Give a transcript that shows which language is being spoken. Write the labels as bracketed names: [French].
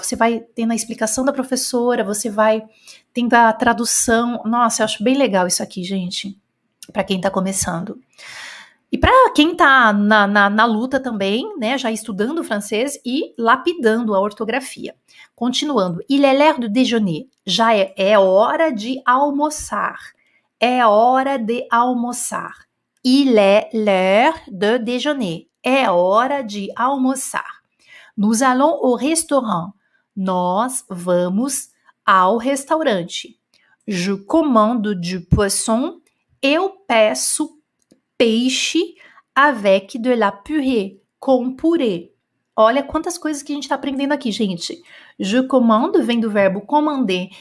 [Portuguese] Você vai tendo a explicação da professora, você vai tendo a tradução. Nossa, eu acho bem legal isso aqui, gente, para quem está começando. E para quem está na luta também, né, já estudando francês e lapidando a ortografia. Continuando, [French] il est l'heure du déjeuner. [Portuguese] Já é hora de almoçar. É hora de almoçar. [French] Il est l'heure de déjeuner. [Portuguese] É hora de almoçar. [French] Nous allons au restaurant. [Portuguese] Nós vamos ao restaurante. [French] Je commande du poisson. [Portuguese] Eu peço peixe [French] avec de la purée, [Portuguese] com purê. Olha quantas coisas que a gente está aprendendo aqui, gente. Je commande vem do verbo commander.